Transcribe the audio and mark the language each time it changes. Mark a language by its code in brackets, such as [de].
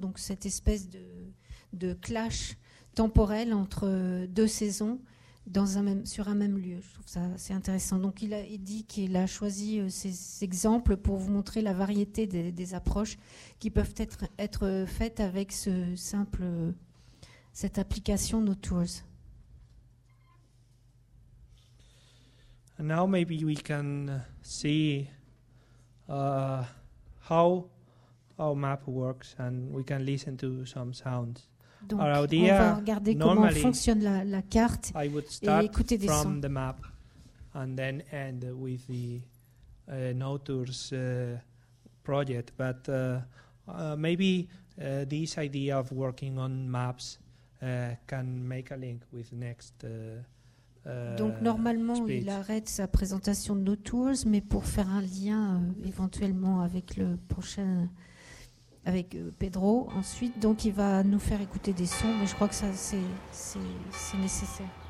[fr] Donc cette espèce de clash temporel entre deux saisons sur un même lieu. Je trouve ça assez intéressant. Donc il dit qu'il a choisi ces exemples pour vous montrer la variété des approches qui peuvent être faites avec cette application No Tours. [en] Now maybe we can see how our map works and we can listen to some sounds. [fr] Donc [en] our idea, [fr] on va regarder [en] normally, [fr] comment fonctionne la carte et écouter des sons. [en] I would start from the map and then end with the No Tours project. But maybe this idea of working on maps can make a link with next [fr] Donc normalement, il arrête sa présentation de No Tours, mais pour faire un lien éventuellement avec le prochain, avec Pedro ensuite, donc il va nous faire écouter des sons, mais je crois que ça c'est nécessaire.